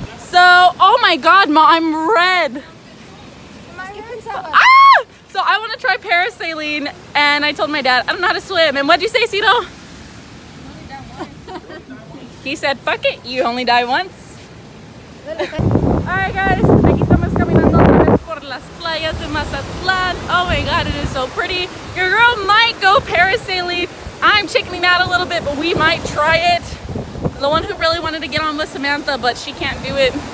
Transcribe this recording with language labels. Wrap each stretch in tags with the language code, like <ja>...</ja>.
<en>So, oh my god, Ma, I'm red. So I want to try parasailing, and I told my dad I don't know how to swim. And what'd you say, Cito? He said, fuck it, you only die once. Alright guys,</en> <es>aquí estamos caminando por las playas de Mazatlán.</es> <en>Oh my god, it is so pretty. Your girl might go parasailing. I'm chickening out a little bit, but we might try it. The one who really wanted to get on was Samantha, but she can't do it.</en>